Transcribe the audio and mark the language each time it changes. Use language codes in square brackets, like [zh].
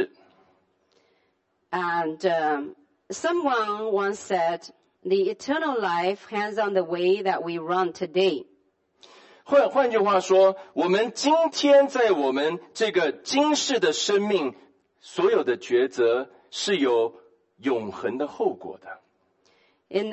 [zh] 有人曾经说啊，这个天国永生的生命品质是维系在我们今天生活的方式。And [en] Someone once said, the eternal life hangs on the way that we run today. [zh] 换句话说，我们今天在我们这个今世的生命，所有的抉择是有永恒的后果的。In